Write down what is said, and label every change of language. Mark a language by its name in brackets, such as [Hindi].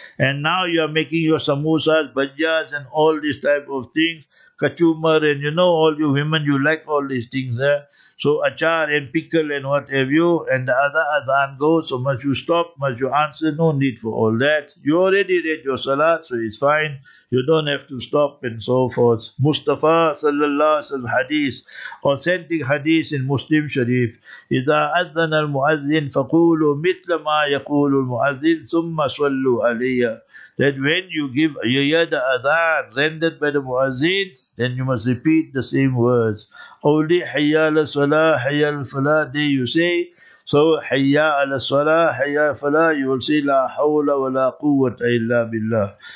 [English] And now you are making your samosas, bhajjas, and all these type of things, kachumar, and you know all you women, you like all these things there. So achar and pickle and what have you, and the other adhan goes, so must you stop, must you answer, no need for all that. You already read your salat, so it's fine. You don't have to stop and so forth. Mustafa sallallahu alaihi wasallam hadith, authentic hadith in Muslim Sharif, [Arabic] إِذَا أَذَّنَ الْمُؤَذِّنِ فَقُولُوا مِثْلَ مَا يَقُولُ الْمُؤَذِّنِ ثُمَّ صَلُّوا عَلَيَّ. [English] That when you give yayad adhan rendered by the muazzin, then you must repeat the same words. Only [Arabic] hayya ala salah, hayya ala falah, [English] there you say. So [Arabic] hayya ala salah, hayya ala falah, [English] you will say [Arabic] la hawla wa la quwwata illa billah.